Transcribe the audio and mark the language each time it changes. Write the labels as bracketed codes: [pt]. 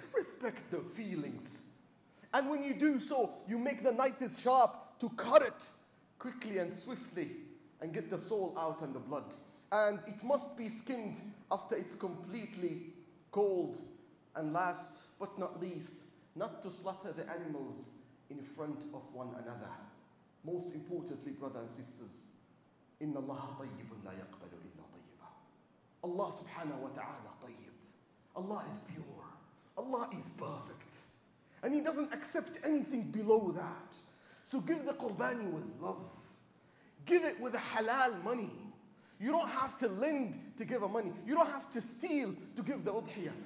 [en] Respect the feelings. And when you do so, you make the knife is sharp to cut it quickly and swiftly and get the soul out and the blood. And it must be skinned after it's completely cold. And last but not least, not to slaughter the animals in front of one another. Most importantly, brothers and sisters, [ar] إِنَّ اللَّهَ طَيِّبٌ لَا يَقْبَلُ إِلَّا طَيِّبًا. [en] Allah subhanahu wa ta'ala طيب. Allah is pure. Allah is perfect. And he doesn't accept anything below that. So give the qurbani with love. Give it with a halal money. You don't have to lend to give a money. You don't have to steal to give the udhiyah.